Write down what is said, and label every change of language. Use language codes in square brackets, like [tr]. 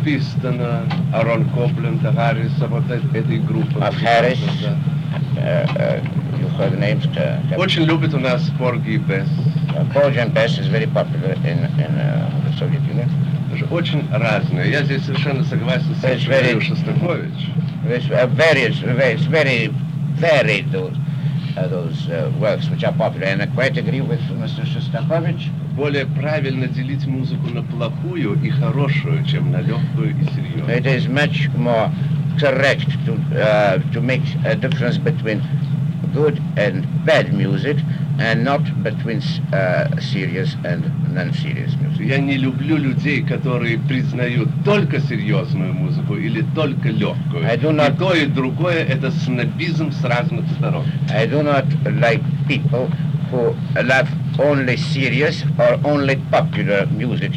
[ru] Пистона, Арон Копленд, Харриса, вот этой группы. [en] Of Harris, you heard the names. [ru] Очень любит у нас Порги и Бесс. [en] Порги и Бесс is very popular in the Soviet Union. [ru] Очень разные. Я здесь совершенно согласен с Сергеем Шостаковичем. [en] It's very varied, those works which are popular. And I quite agree with Mr. Shostakovich. [ru] Более правильно делить музыку на плохую и хорошую, чем на легкую и серьезную. [en] It is much more correct to make a difference between good and bad music and not between serious and non-serious music. [ru] Я не люблю людей, которые признают только серьезную музыку или только легкую. [en] I do not, [ru] и то, и другое – это снобизм с разных сторон. [en] I do not like people who love only serious or only popular music.